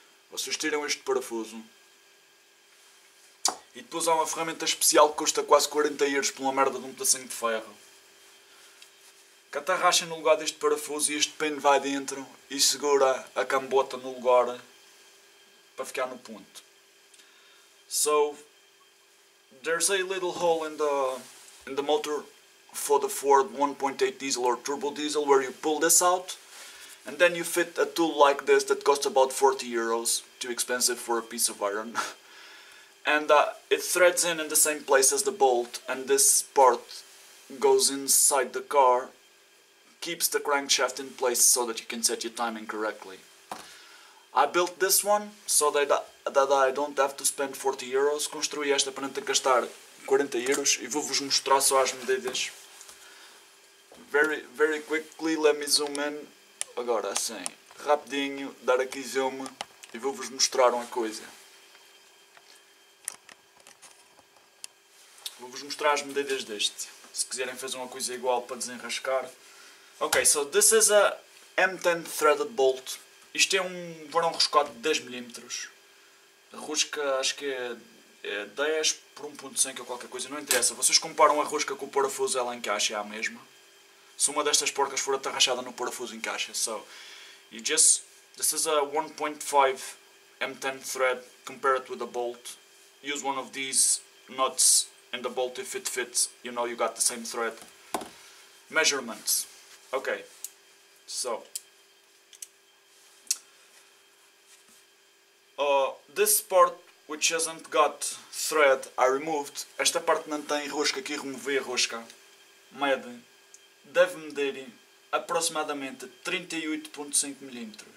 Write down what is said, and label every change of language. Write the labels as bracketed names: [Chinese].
[Portuguese] Vocês tiram este parafuso e depois há uma ferramenta especial que custa quase 40 euros por uma merda de um pedacinho de ferro, que atarracha no lugar deste parafuso e este pene vai dentro e segura a cambota no lugar para ficar no ponto. [English] So, there's a little hole in the motor for the Ford 1.8 diesel or turbo diesel where you pull this out and then you fit a tool like this that costs about 40 euros, too expensive for a piece of iron. and it threads in the same place as the bolt, and this part goes inside the car, keeps the crankshaft in place so that you can set your timing correctly. I built this one so that I don't have to spend 40 euros. [Portuguese] Construí esta para não ter que gastar 40 euros e vou-vos mostrar só as medidas. [English] Very, very quickly, let me zoom in. [Portuguese] Agora assim, rapidinho, dar aqui zoom e vou-vos mostrar uma coisa. Vou-vos mostrar as medidas deste. Se quiserem fazer uma coisa igual para desenrascar. [English] Ok, so this is a M10 threaded bolt. [Portuguese] Isto é um varão roscado de 10 mm. A rosca acho que é 10 por 1.5 ou qualquer coisa, não interessa. Vocês comparam a rosca com o parafuso, ela encaixa, é a mesma. Se uma destas porcas for atarrachada no parafuso, encaixa. [English] So, you just, this is a 1.5 M10 thread, compare it with a bolt. Use one of these nuts and the bolt if it fits, you know you got the same thread. Measurements. Ok, so... this part, which hasn't got thread, I removed. [Portuguese] Esta parte não tem rosca, aqui removi a rosca. Mede. Deve medir aproximadamente 38.5 mm.